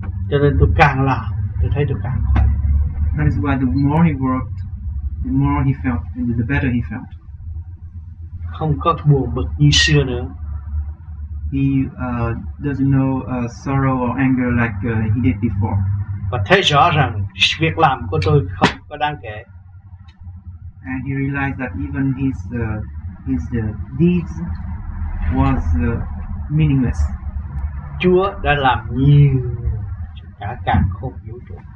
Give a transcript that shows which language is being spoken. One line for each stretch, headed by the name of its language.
Vietnamese: Cho nên tôi càng làm, tôi thấy tôi càng khỏe.
English: That is why the more he worked, the more he felt, and the better he felt.
Vietnamese: Không có buồn bực như xưa nữa.
English: He doesn't know sorrow or anger like he did before.
Vietnamese: Và thấy rõ rằng việc làm của tôi không có đáng kể.
English: And he realized that even his deeds was meaningless.
Vietnamese: Chúa đã làm nhiều cả càng khôn vũ trụ.